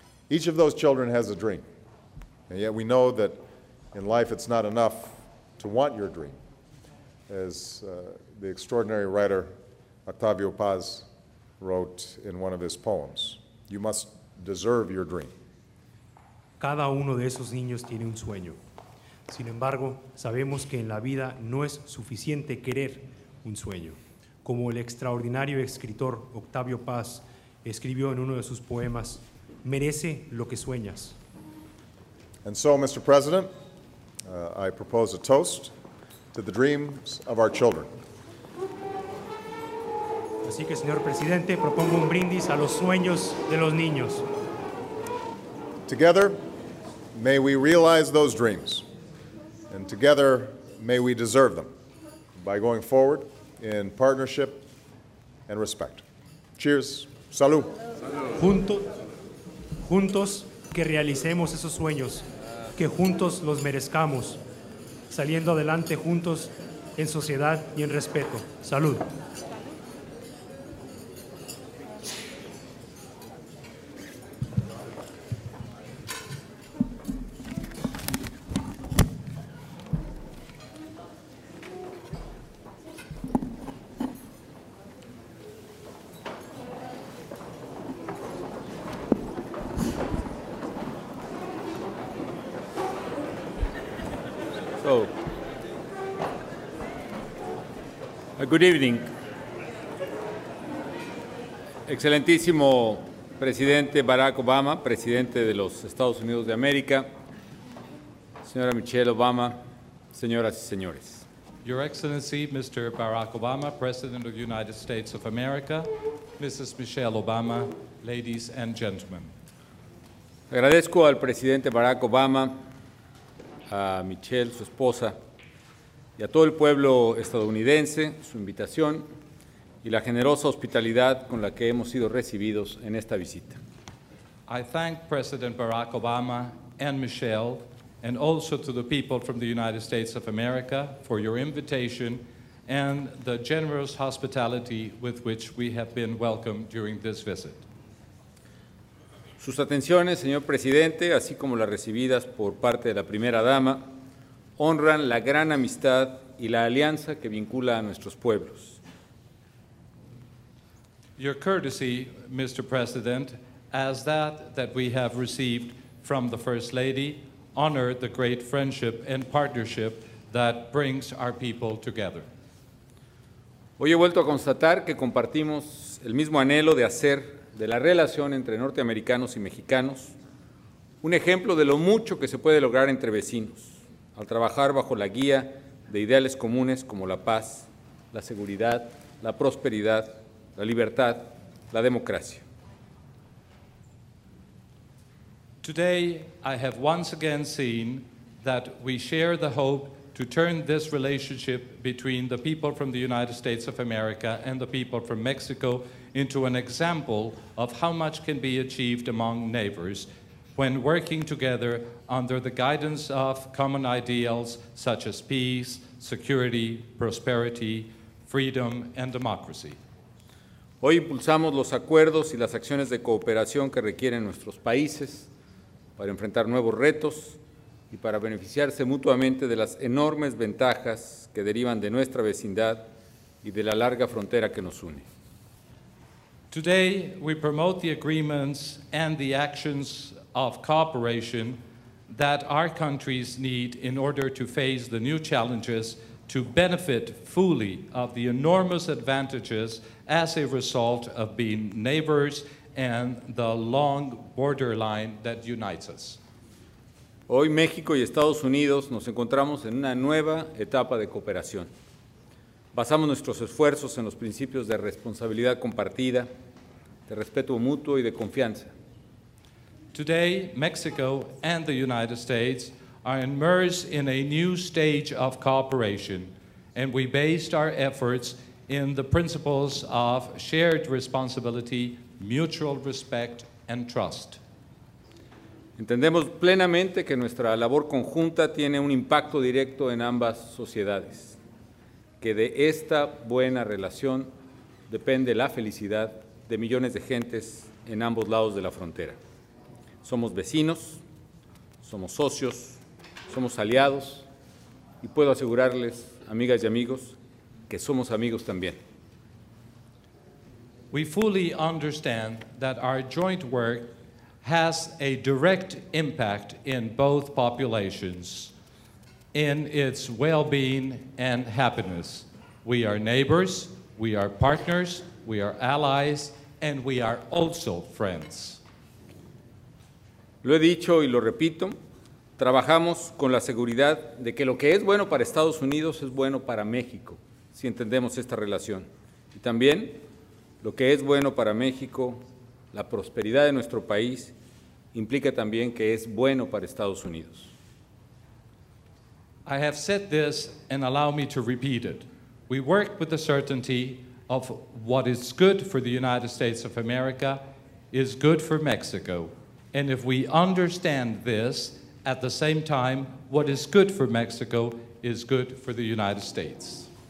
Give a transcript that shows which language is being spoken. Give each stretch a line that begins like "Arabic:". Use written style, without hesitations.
English: Each of those children has a dream, and yet we know that in life it's not enough to want your dream. as the extraordinary writer Octavio Paz wrote in one of his poems. You must deserve your dream.
Spanish: Cada uno de esos niños tiene un sueño. Sin embargo, sabemos que en la vida no es suficiente querer un sueño. Como el extraordinario escritor Octavio Paz escribió en uno de sus poemas, merece lo que sueñas.
English: And so, Mr. President, I propose a toast to the dreams of our children.
Spanish: Así que, señor presidente, propongo un brindis a los sueños de los niños.
English: Together, may we realize those dreams, and together, may we deserve them by going forward in partnership and respect. Cheers.
Spanish: Salud. Juntos que realicemos esos sueños, que juntos los merezcamos, saliendo adelante juntos en sociedad y en respeto. Salud.
English: Good evening.
Spanish: Excelentísimo Presidente Barack Obama, Presidente de los Estados Unidos de América, Señora Michelle Obama, señoras y señores.
English: Your Excellency, Mr. Barack Obama, President of the United States of America, Mrs. Michelle Obama, ladies and gentlemen.
Spanish: Agradezco al Presidente Barack Obama, a Michelle, su esposa, y a todo el pueblo estadounidense, su invitación y la generosa hospitalidad con la que hemos sido recibidos en esta visita.
English: I thank President Barack Obama and Michelle, and also to the people from the United States of America for your invitation and the generous hospitality with which we have been welcomed during this visit.
Spanish: Sus atenciones, señor presidente, así como las recibidas por parte de la primera dama, honran la gran amistad y la alianza que vincula a nuestros pueblos.
English: Your courtesy, Mr. President, as that we have received from the First Lady, honor the great friendship and partnership that brings our people together.
Spanish: Hoy he vuelto a constatar que compartimos el mismo anhelo de hacer de la relación entre norteamericanos y mexicanos un ejemplo de lo mucho que se puede lograr entre vecinos, al trabajar bajo la guía de ideales comunes como la paz, la seguridad, la prosperidad, la libertad, la democracia.
English: Today, I have once again seen that we share the hope to turn this relationship between the people from the United States of America and the people from Mexico into an example of how much can be achieved among neighbors when working together under the guidance of common ideals such as peace, security, prosperity, freedom, and democracy.
Spanish: Hoy impulsamos los acuerdos y las acciones de cooperación que requieren nuestros países para enfrentar nuevos retos y para beneficiarse mutuamente de las enormes ventajas que derivan de nuestra vecindad y de la larga frontera que nos une.
English: Today, we promote the agreements and the actions of cooperation that our countries need in order to face the new challenges to benefit fully of the enormous advantages as a result of being neighbors and the long borderline that unites us.
Spanish: Hoy México y Estados Unidos nos encontramos en una nueva etapa de cooperación. Basamos nuestros esfuerzos en los principios de responsabilidad compartida, de respeto mutuo y de confianza.
English: Today, Mexico and the United States are immersed in a new stage of cooperation, and we based our efforts in the principles of shared responsibility, mutual respect, and trust.
Spanish: Entendemos plenamente que nuestra labor conjunta tiene un impacto directo en ambas sociedades, que de esta buena relación depende la felicidad de millones de gentes en ambos lados de la frontera. Somos vecinos, somos socios, somos aliados, y puedo asegurarles, amigas y amigos, que somos amigos también.
English: We fully understand that our joint work has a direct impact in both populations, in its well-being and happiness. We are neighbors, we are partners, we are allies, and we are also friends.
Spanish: Lo he dicho y lo repito, trabajamos con la seguridad de que lo que es bueno para Estados Unidos es bueno para México, si entendemos esta relación. Y también, lo que es bueno para México, la prosperidad de nuestro país, implica también que es bueno para Estados Unidos.
English: I have said this and allow me to repeat it. We work with the certainty of what is good for the United States of America is good for Mexico. And if we understand this, at the same time, what is good for Mexico is good for the United States.